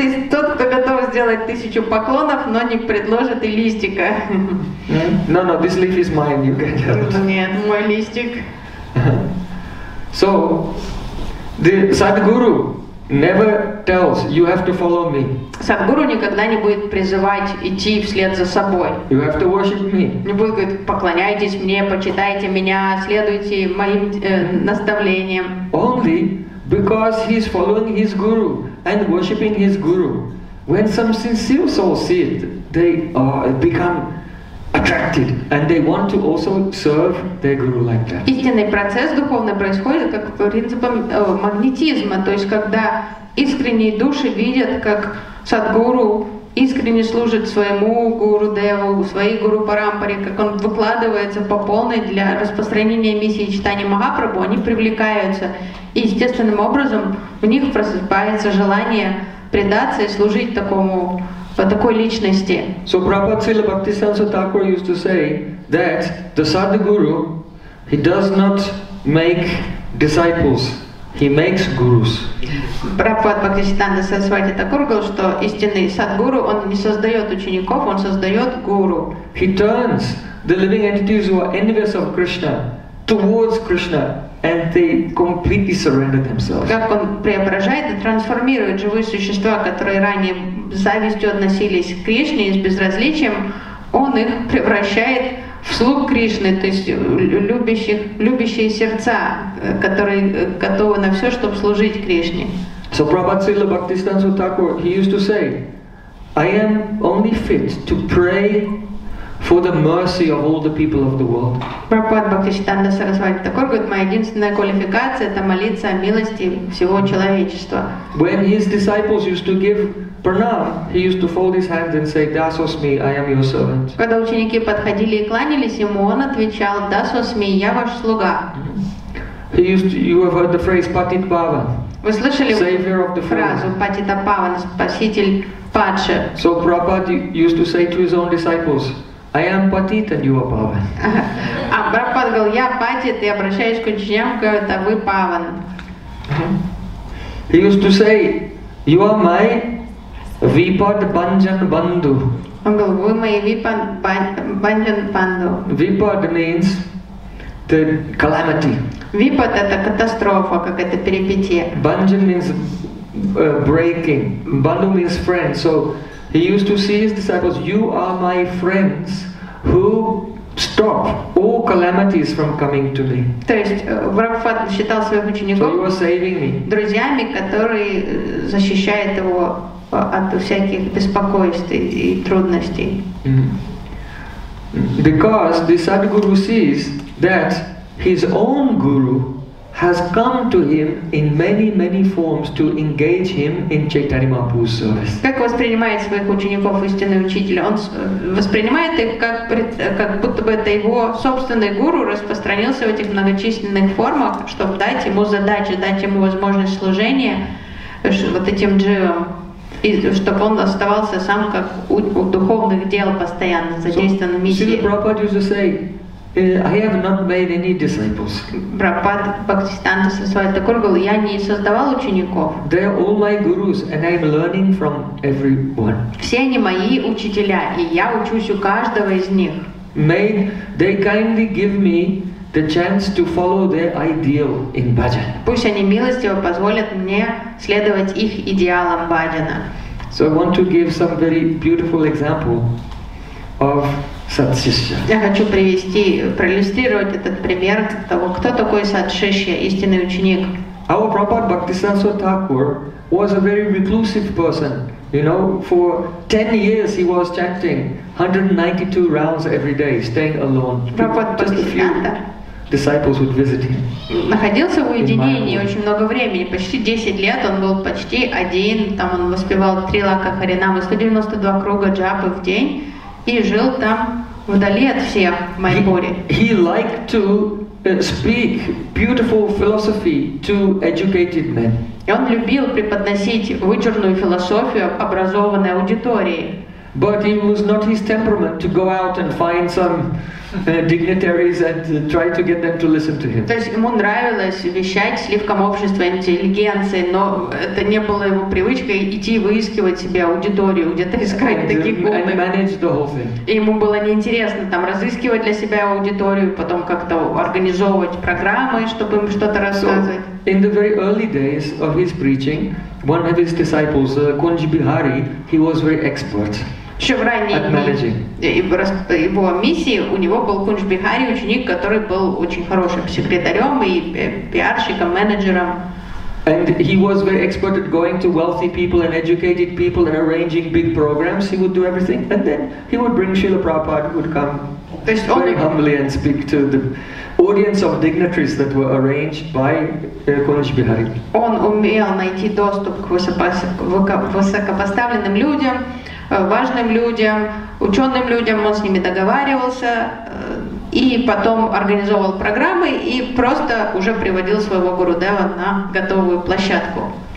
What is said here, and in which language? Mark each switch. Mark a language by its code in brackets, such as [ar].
[ru] Тот, кто готов сделать 1000 поклонов, но не предложит и листика. [en] No, this leaf is mine, you can have. [ru] Нет, мой листик. [en] So, the Sadhguru never tells you have to follow me. [ru] Садхгуру никогда не будет призывать идти вслед за собой. [en] You have to worship me. [ru] Не будет говорить, поклоняйтесь мне, почитайте меня, следуйте моим наставлениям. [en] Only because he is following his guru and worshiping his guru. When some sincere souls see it, they become attracted and they want to also serve their guru like that. [ru] Истинный процесс духовный происходит как принципом магнетизма, то есть когда искренние души видят, как садхгуру искренне служит своему гуру деву, своей гуру парампаре, как он выкладывается по полной для распространения миссии читания Махапрабху, они привлекаются. И естественным образом в них просыпается желание предаться и служить такому, по такой личности. [en] So Prabhupada Srila Bhaktisiddhanta Thakur used to say that the Sadhguru, he does not make disciples, he makes gurus. [ru] Prabhupada Bhaktisiddhanta Sarasvati Thakur говорил, что истинный Sadhguru, он не создает учеников, он создает гуру. [en] He turns the living entities who are envious of Krishna towards Krishna. And they completely surrender themselves. [ru] Как он преображает и трансформирует живые существа, которые ранее завистью относились к Кришне и с безразличием, он их превращает в слуг Кришны, то есть любящие сердца, которые готовы на все, чтобы служить Кришне. [en] So Prabhupada Srila Bhaktisiddhanta Thakur, he used to say, I am only fit to pray for the mercy of all the people of the world. [ru] Prabhupada Bhaktisiddhanta Sarasvati Thakur говорит, моя единственная квалификация – это молиться о милости всего человечества. [en] When his disciples used to give pranam, he used to fold his hands and say, Dasosmi, I am your servant. [ru] Когда ученики подходили и кланялись ему, он отвечал, Dasosmi, я ваш слуга. [en] You have heard the phrase Patit Pava. [ru] Вы слышали фразу Patita Pavana, спаситель падши? [en] So Prabhupada used to say to his own disciples, I am Patit and you are Pavan. [ru] А Прабхупада говорил, я Патит, и обращаюсь к ученикам, говорит, а вы Паван. [en] He used to say, you are my Vipad Banjan Bandhu. [ru] Он говорил, вы мои Vipad Banjan Bandhu. [en] Vipad means the calamity. [ru] Vipad – это катастрофа, какая-то перипетия. [en] Banjan means breaking. Bandhu means friend. So he used to see his disciples, you are my friends who stop all calamities from coming to me. [ru] То есть Прабхупад считал своих учеников, [en] so you are saving me, [ru] друзьями, которые защищают его от всяких беспокойств и трудностей. Mm-hmm. [en] Because the Sadhguru sees that his own guru has come to him in many, many forms to engage him in Chaitanya Mahaprabhu's service. [ru] Как воспринимает своих учеников истинный учитель? Он воспринимает их как будто бы это его собственный гуру распространился в этих многочисленных формах, чтобы дать ему задачу, дать ему возможность служения вот этим дживам, и чтобы он оставался сам как у духовных дел постоянно задействован в миссии. [en] Srila Prabhupada used to say, I have not made any disciples. [ru] Prabhupada Bhaktisiddhanta Sarasvati Thakur говорил, я не создавал учеников. [en] They are all my gurus and I am learning from everyone. [ru] Все они мои учителя, и я учусь у каждого из них. [en] They kindly give me the chance to follow their ideal in bhajan. [ru] Пусть они милостиво позволят мне следовать их идеалам бхаджана. [en] So I want to give some very beautiful example of Сад-сисья. [ru] Я хочу проиллюстрировать этот пример того, кто такой Сад-сисья, истинный ученик. [en] Our Prabhupada Bhaktisiddhanta Thakur was a very reclusive person. You know, for 10 years he was chanting 192 rounds every day, staying alone. Just a few disciples would visit him. [ru] Находился в уединении очень много времени, почти 10 лет он был почти один, там он воспевал три лака харинамы, 192 круга джапы в день. И жил там вдали от всех моей боли. [en] He liked to speak beautiful philosophy to educated men. [ru] И он любил преподносить вычурную философию образованной аудитории. [en] But it was not his temperament to go out and find some dignitaries and try to get them to listen to him. [ru] То есть ему нравилось вещать сливкам общества интеллигенции, но это не было его привычкой идти выискивать себе аудиторию, где-то искать таких умных. [en] And manage the whole thing. [ru] И ему было неинтересно там разыскивать для себя аудиторию, потом как-то организовывать программы, чтобы им что-то рассказывать. [en] So, in the very early days of his preaching, one of his disciples, Kunji Bihari, he was very expert. [ru] Еще в ранней его миссии у него был Кунж Бихари, ученик, который был очень хорошим секретарем и пиарщиком, менеджером. [en] And he was very expert at going to wealthy people and educated people and arranging big programs. He would do everything, and then he would bring Srila Prabhupada, would come very humbly and speak to the audience of dignitaries that were arranged by Kunj Bihari. [ru] Он умел найти доступ к высокопоставленным людям, важным людям, ученым людям, он с ними договаривался и потом организовал программы и просто уже приводил своего гурудева на готовую площадку.